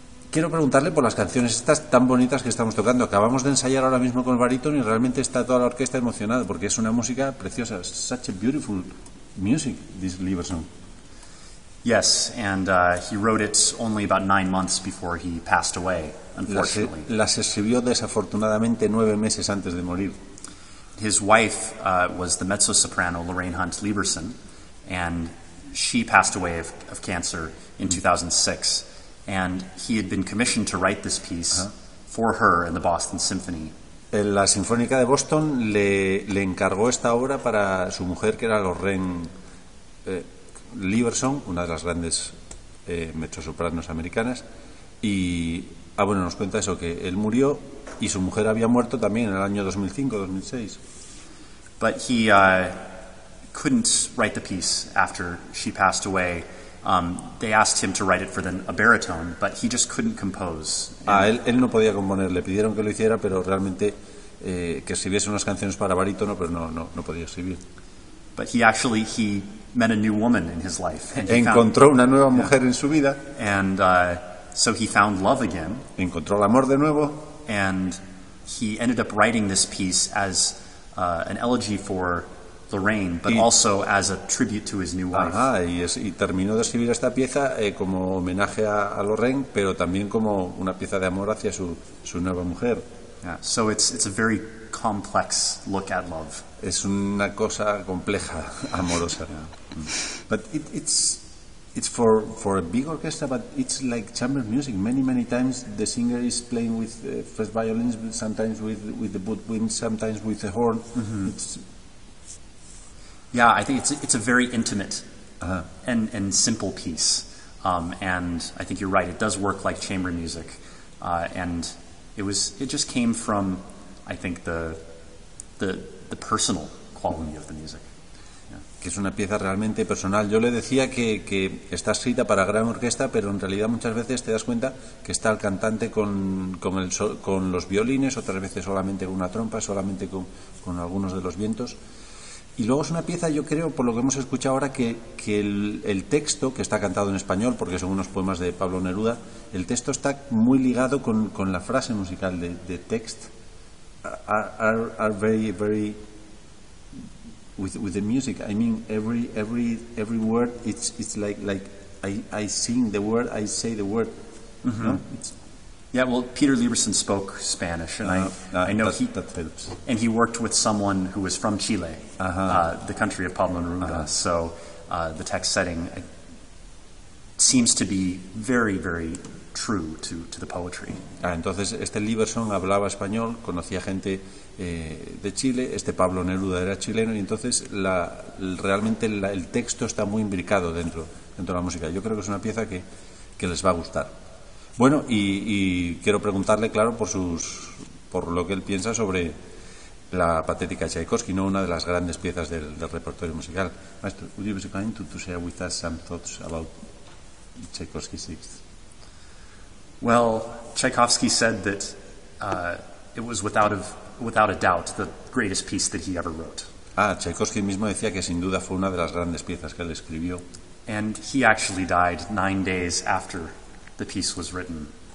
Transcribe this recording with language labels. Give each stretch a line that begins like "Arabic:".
Spanish: Quiero preguntarle por las canciones estas tan bonitas que estamos tocando. Acabamos de ensayar ahora mismo con el barítono y realmente está toda la orquesta emocionada porque es una música preciosa.
English: Such a beautiful music, this Lieberson. Yes, and he wrote it only about 9 months before he passed away, unfortunately.
Spanish: Las escribió desafortunadamente 9 meses antes de morir.
English: His wife was the mezzo-soprano Lorraine Hunt Lieberson, and she passed away of cancer in 2006. And he had been commissioned to write this piece for her in the Boston Symphony.
Spanish: La Sinfónica de Boston le encargó esta obra para su mujer, que era Lorraine Lieberson, una de las grandes mezzosopranos americanas, y bueno, nos cuenta eso, que él murió y su mujer había muerto también en el año 2005-2006.
English: But he couldn't write the piece after she passed away. They asked him to write it for a baritone, but he just couldn't compose.
Spanish: Él no podía componer, le pidieron que lo hiciera, pero realmente que escribiese unas canciones para barítono, pero no podía escribir.
English: But he met a new woman in his life.
Spanish: And encontró una nueva mujer en su vida.
English: And so he found love again.
Spanish: Encontró el amor de nuevo.
English: And he ended up writing this piece as an elegy for Lorraine, but also as a tribute to his new wife.
Spanish: Ajá, y terminó de escribir esta pieza como homenaje a Lorraine, pero también como una pieza de amor hacia su nueva mujer.
English: Yeah. So it's a very complex look at love.
Spanish: Es una cosa compleja, amorosa.
English: But it's for a big orchestra, but it's like chamber music. Many times the singer is playing with first violins, sometimes with the woodwind, sometimes with the horn. Mm-hmm. I think it's a very intimate and simple piece. And I think you're right. It does work like chamber music. And it just came from, I think, the personal quality of the music.
Spanish: Que es una pieza realmente personal. Yo le decía que está escrita para gran orquesta, pero en realidad muchas veces te das cuenta que está el cantante con los violines, otras veces solamente con una trompa, solamente con algunos de los vientos. Y luego es una pieza, yo creo, por lo que hemos escuchado ahora, que el texto, que está cantado en español, porque son unos poemas de Pablo Neruda, el texto está muy ligado con la frase musical de text.
English: Are very, very... With the music, I mean, every word, it's like I sing the word, I say the word. Mm-hmm. No? Yeah, well, Peter Lieberson spoke Spanish, and I know that helps. And he worked with someone who was from Chile, the country of Pablo Neruda. Uh-huh. So the text setting seems to be very, very true to the poetry.
Spanish: Entonces, este Lieberson hablaba español, conocía gente de Chile, este Pablo Neruda era chileno, y entonces el texto está muy imbricado dentro de la música. Yo creo que es una pieza que les va a gustar. Bueno, y quiero preguntarle, claro, por lo que él piensa sobre la patética Tchaikovsky, no una de las grandes piezas del repertorio musical.
English: Maestro, would you be so kind to share with us some thoughts about Tchaikovsky's Sixth? Well, Tchaikovsky said that it was without a doubt the greatest piece that he ever wrote.
Spanish: Tchaikovsky mismo decía que sin duda fue una de las grandes piezas que él escribió.
English: And he actually died 9 days after the piece was written.